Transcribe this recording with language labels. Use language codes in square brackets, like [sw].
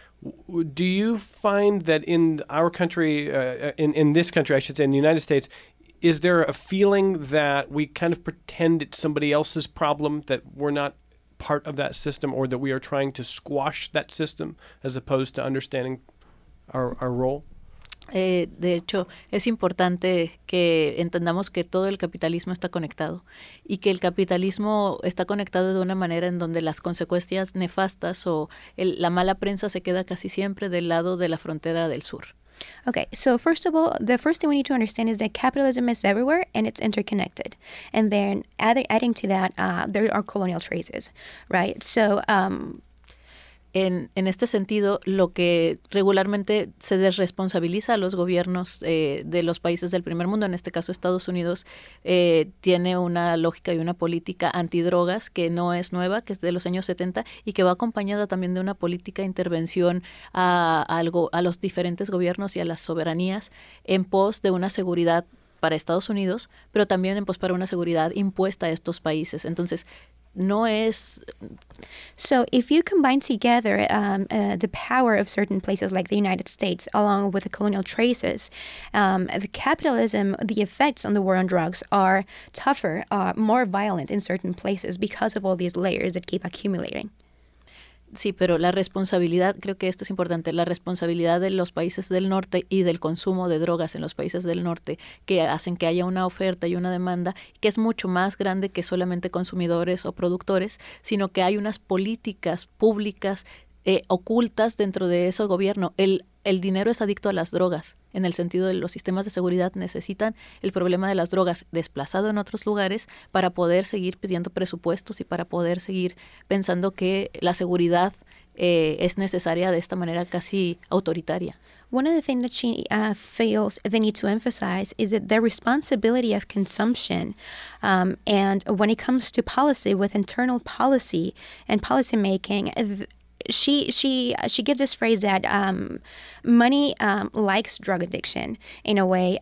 [en] Do you find that in our country, in this country, I should say, in the United States, is there a feeling that we kind of pretend it's somebody else's problem, that we're not part of that system, or that we are trying to squash that system as opposed to understanding our role? [es] De hecho, es importante que entendamos que todo el capitalismo está conectado y que el capitalismo está conectado de una manera en donde las consecuencias nefastas o la mala prensa se queda casi siempre del lado de la frontera del sur. [en] Okay, so first of all, the first thing we need to understand is that capitalism is everywhere and it's interconnected. And then adding to that, there are colonial traces, right? So [es] En este sentido, lo que regularmente se desresponsabiliza a los gobiernos de los países del primer mundo, en este caso Estados Unidos, tiene una lógica y una política antidrogas que no es nueva, que es de los años 70 y que va acompañada también de una política de intervención a los diferentes gobiernos y a las soberanías en pos de una seguridad para Estados Unidos, pero también en pos para una seguridad impuesta a estos países. Entonces, no es. [en] So if you combine together the power of certain places like the United States along with the colonial traces, the capitalism, the effects on the war on drugs are tougher, more violent in certain places because of all these layers that keep accumulating. [es] Sí, pero la responsabilidad, creo que esto es importante, la responsabilidad de los países del norte y del consumo de drogas en los países del norte que hacen que haya una oferta y una demanda que es mucho más grande que solamente consumidores o productores, sino que hay unas políticas públicas ocultas dentro de ese gobierno. El dinero es adicto a las drogas, en el sentido de los sistemas de seguridad necesitan el problema de las drogas desplazado en otros lugares para poder seguir pidiendo presupuestos y para poder seguir pensando que la seguridad es necesaria de esta manera casi autoritaria. [en] One of the things that she feels they need to emphasize is that the responsibility of consumption and when it comes to policy with internal policy and policy making, she gives this phrase that money likes drug addiction in a way.